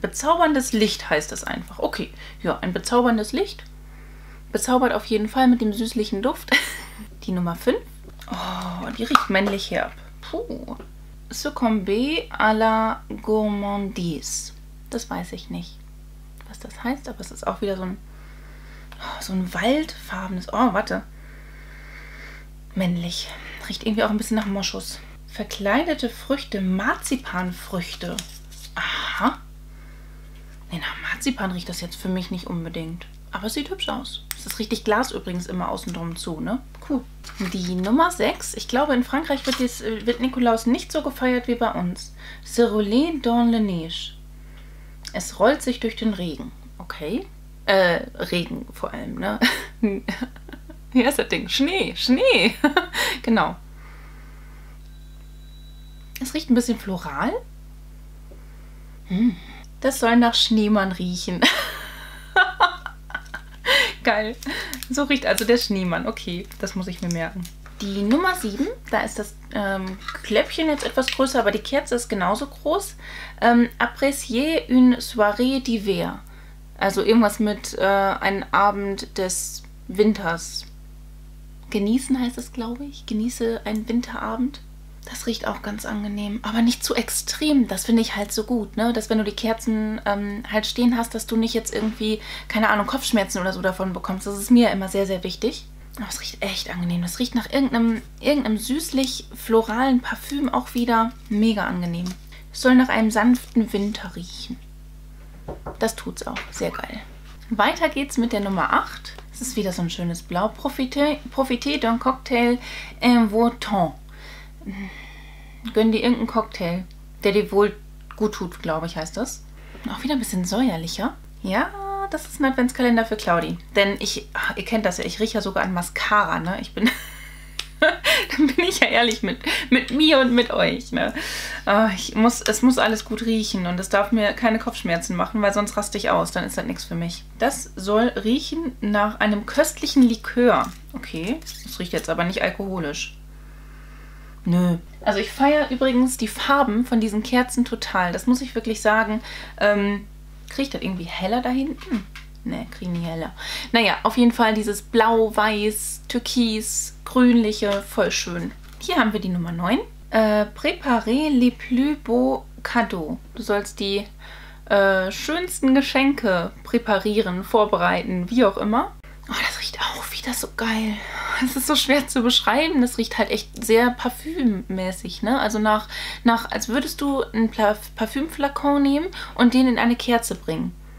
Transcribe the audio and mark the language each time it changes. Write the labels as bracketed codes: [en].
[de] Bezauberndes Licht heißt das einfach. Okay, ja, ein bezauberndes Licht. Bezaubert auf jeden Fall mit dem süßlichen Duft. Die Nummer 5. Oh, die riecht männlich herb. Puh. [fr] Succombe à la gourmandise. [de] Das weiß ich nicht, was das heißt, aber es ist auch wieder so ein waldfarbenes. Oh, warte. Männlich. Riecht irgendwie auch ein bisschen nach Moschus. Verkleidete Früchte, Marzipanfrüchte. Aha. Nee, nach Marzipan riecht das jetzt für mich nicht unbedingt. Aber es sieht hübsch aus. Es ist richtig Glas übrigens immer außen drum zu, ne? Cool. Die Nummer 6. Ich glaube, in Frankreich wird Nikolaus nicht so gefeiert wie bei uns. [fr] Se roule dans la neige. [de] Es rollt sich durch den Regen. Okay. Regen vor allem, ne? Wie heißt das Ding? Schnee. Genau. Es riecht ein bisschen floral. Hm. Das soll nach Schneemann riechen. Geil. So riecht also der Schneemann. Okay, das muss ich mir merken. Die Nummer 7, da ist das Kläppchen jetzt etwas größer, aber die Kerze ist genauso groß. [fr] Apprécier une soirée d'hiver. [de] Also irgendwas mit einem Abend des Winters. Genießen heißt es, glaube ich. Genieße einen Winterabend. Das riecht auch ganz angenehm. Aber nicht zu extrem. Das finde ich halt so gut, ne? Dass wenn du die Kerzen halt stehen hast, dass du nicht jetzt irgendwie, keine Ahnung, Kopfschmerzen oder so davon bekommst. Das ist mir immer sehr, sehr wichtig. Aber es riecht echt angenehm. Das riecht nach irgendeinem süßlich-floralen Parfüm auch wieder. Mega angenehm. Es soll nach einem sanften Winter riechen. Das tut's auch. Sehr geil. Weiter geht's mit der Nummer 8. Das ist wieder so ein schönes Blau. [fr] Profité d'un cocktail en vautant. [de] Gönn dir irgendeinen Cocktail, der dir wohl gut tut, glaube ich, heißt das. Auch wieder ein bisschen säuerlicher. Ja, das ist ein Adventskalender für Claudi. Denn ihr kennt das ja, ich rieche ja sogar an Mascara, ne? Ich bin, dann bin ich ja ehrlich mit mir und mit euch, ne? Es muss alles gut riechen und es darf mir keine Kopfschmerzen machen, weil sonst raste ich aus, dann ist das nichts für mich. Das soll riechen nach einem köstlichen Likör. Okay, das riecht jetzt aber nicht alkoholisch. Nö. Also ich feiere übrigens die Farben von diesen Kerzen total. Das muss ich wirklich sagen. Kriege ich das irgendwie heller da hinten? Ne, kriege ich nicht heller. Naja, auf jeden Fall dieses Blau, Weiß, Türkis, Grünliche, voll schön. Hier haben wir die Nummer 9. [fr] Préparez les plus beaux cadeaux. [de] Du sollst die schönsten Geschenke präparieren, vorbereiten, wie auch immer. Oh, das riecht auch wieder so geil. Das ist so schwer zu beschreiben. Das riecht halt echt sehr parfümmäßig, ne? Also nach, als würdest du ein Parfümflakon nehmen und den in eine Kerze bringen.